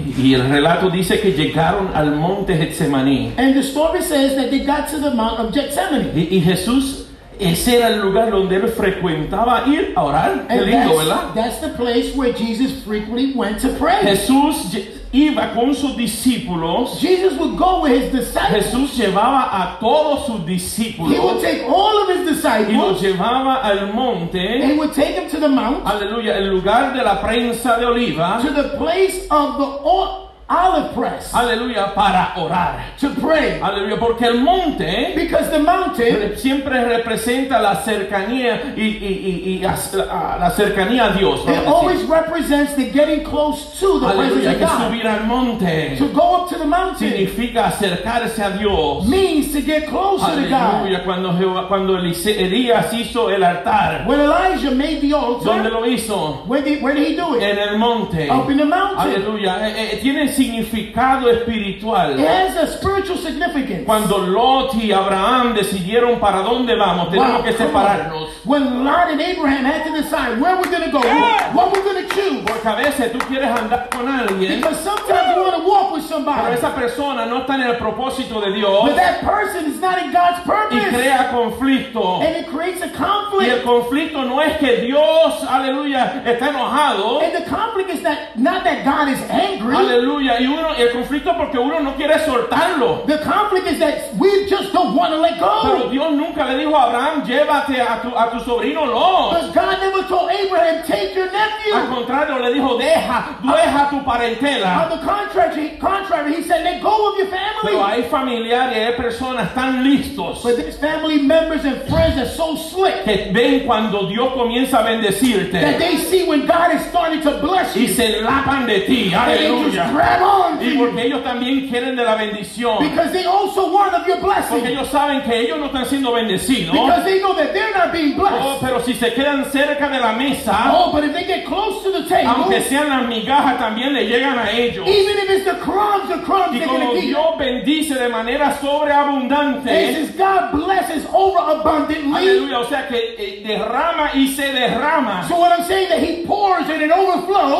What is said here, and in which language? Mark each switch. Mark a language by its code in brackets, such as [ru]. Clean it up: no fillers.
[es] Y el relato dice que llegaron al monte Getsemaní. [en] And the story says that they got to the Mount of Gethsemane. [es] Y Jesús, ese era el lugar donde él frecuentaba ir a orar. Qué [en] and [es] lindo, [en] that's, [es] ¿verdad? [en] That's the place where Jesus frequently went to pray. [es] Jesús iba con sus discípulos. [en] Jesus would go with his disciples. [es] Jesús llevaba a todos sus discípulos. [en] He would take all of his disciples. [es] Y los llevaba al monte. [en] And would take them to the mount. [es] Aleluya, el lugar de la prensa de oliva. [en] To the place of the olive press. [es] Aleluya, para orar. [en] To pray. [es] Aleluya, porque el monte, [en] because the mountain, [es] siempre representa la cercanía la cercanía a Dios. [en] It always represents the getting close to the presence of God. [es] Subir al monte. [en] To go up to the mountain [es] significa acercarse a Dios. [en] Means to get closer to God. [es] Aleluya, cuando Elías hizo el altar. [en] When Elijah made the altar. [es] ¿Dónde lo hizo? [en] Where did he do it? [es] En el monte. [en] Up in the mountain. [es] Aleluya. Tiene significado espiritual. [en] It has a spiritual significance. [es] Cuando Lot y Abraham decidieron para dónde vamos, tenemos que separarnos. [en] When Lot and Abraham had to decide where we're going to go, what we're going to choose. [es] Porque a veces tú quieres andar con alguien. [en] Because sometimes you want to walk with somebody. [es] Pero esa persona no está en el propósito de Dios. [en] But that person is not in God's purpose. [es] Y crea conflicto. [en] And it creates a conflict. [es] Y el conflicto no es que Dios, aleluya, está enojado. [en] And the conflict is that not that God is angry. [es] Aleluya. Y uno, el conflicto porque uno no quiere soltarlo. [en] The conflict is that we just don't want to let go. [es] Pero Dios nunca le dijo a Abraham, llévate a tu sobrino Lot. [en] Because God never told Abraham, take your nephew. [es] Al contrario, le dijo, deja tu parentela. [en] On the contrary, he said, let go of your family. [es] Pero hay familiares, hay personas tan listos. [en] But these family members and friends are so slick. [es] Que ven cuando Dios comienza a bendecirte. [en] That they see when God is starting to bless you. [es] Y se lapan de ti. Aleluya. [en] Grab on to [es] y porque ellos también quieren de la bendición. [en] Because they also want of your blessing. [es] Porque ellos saben que ellos no están siendo bendecidos. [en] Because they know that they're not being blessed. [es] Oh, pero si se quedan cerca de la mesa. [en] Oh, but if they get close to the table. [es] Aunque sean las migajas, también le llegan a ellos. [en] Even if it's the crumbs they're going to [es] eat. Y como Dios bendice de manera sobreabundante. [en] This is God blesses over abundantly. [es] Aleluya, o sea que derrama y se derrama. [en] So what I'm saying that he pours and it overflows.